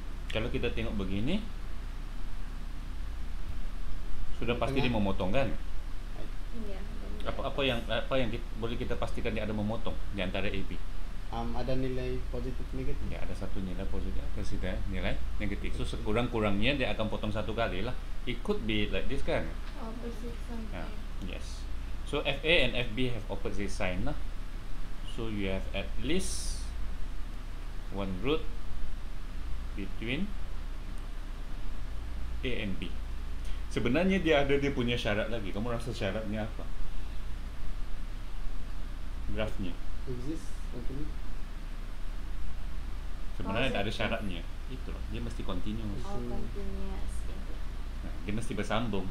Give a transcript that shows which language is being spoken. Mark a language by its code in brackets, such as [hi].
[ms] Kalau kita tengok begini, sudah pasti dia memotong kan? Iya. Apa yang boleh kita pastikan dia ada memotong di antara AB? Ada nilai positif negatif. Ya, ada satu nilai positif, ada sisa nilai negatif. So sekurang-kurangnya dia akan potong satu kali lah. [en] It could be like this kan? Opposite sign. Yeah. Yes. So FA and FB have opposite sign lah. So you have at least one root between A and B. [ms] Sebenarnya dia ada dia punya syarat lagi. Kamu rasa syaratnya apa? Grafnya. [en] Exist. [ms] Sebenarnya tak ada syaratnya. Itu loh. Dia mesti continuous. [en] Oh, continuous. [ms] Nah, dia mesti bersambung.